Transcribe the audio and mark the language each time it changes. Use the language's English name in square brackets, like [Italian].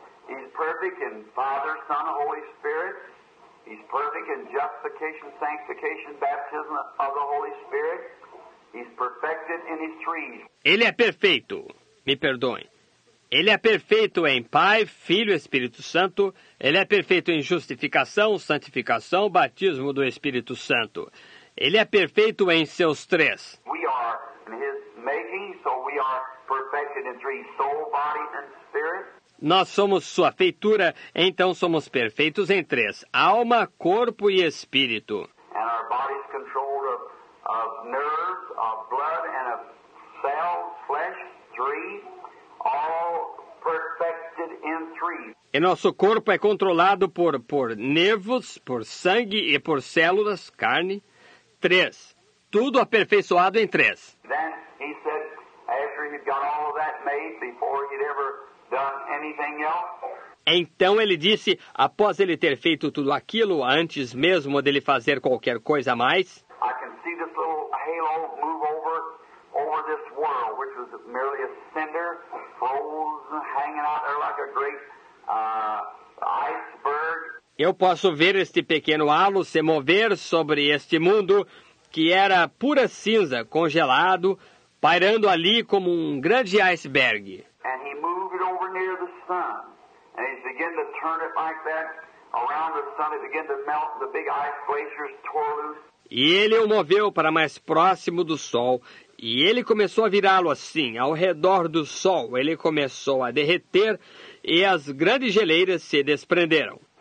[English] He's perfect in Father, Son, Holy Spirit. He's perfect in justification, sanctification, baptism of the Holy Spirit. He's perfected in his trees. [Portuguese] Ele é perfeito. Me perdoe. Ele é perfeito em Pai, Filho e Espírito Santo. Ele é perfeito em justificação, santificação, batismo do Espírito Santo. Ele é perfeito em seus três. [English] We are in his making, so we are perfected in three, soul, body and spirit. [Portuguese] Nós somos sua feitura, então somos perfeitos em três: alma, corpo e espírito. [English] And our body's controlled of nerves, of blood and of cells, flesh, three, all perfected in three. [Portuguese] E nosso corpo é controlado por nervos, por sangue e por células, carne. Três. Tudo aperfeiçoado em três. [English] Then he said, after he'd got all of that made, before he'd ever done anything else. [Portuguese] Então ele disse, após ele ter feito tudo aquilo, antes mesmo dele fazer qualquer coisa a mais. [English] I can see this little halo move over this world, which was merely a cinder, frozen, hanging out there like a great iceberg. [Portuguese] Eu posso ver este pequeno halo se mover sobre este mundo, que era pura cinza, congelado, pairando ali como um grande iceberg. E ele [English] moved it over near the sun. And he began to turn it like that around the sun. It began to melt, the big ice glaciers tore loose. [Portuguese] E ele o moveu para mais próximo do sol. E ele começou a virá-lo assim, ao redor do sol. Ele começou a derreter e as grandes geleiras se desprenderam.